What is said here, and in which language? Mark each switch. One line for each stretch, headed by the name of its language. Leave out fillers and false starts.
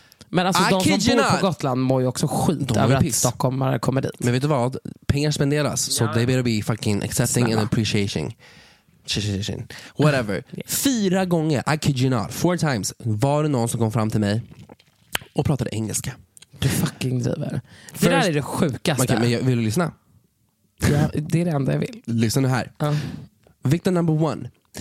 Swedish: Men alltså de som bor på Gotland mår ju också skit över att stockholmare kommer dit. Men vet du vad? Pengar spenderas.
English: Så they better be fucking accepting and appreciating. Whatever.
Swedish: Fyra gånger,
English: I kid you not, four times,
Swedish: var det någon som kom fram till mig och pratade engelska. Du fucking driver. Det där är det sjukaste. Okay, men vill du lyssna? Ja, det är det enda jag vill. Lyssna nu här.
English: Victim number one.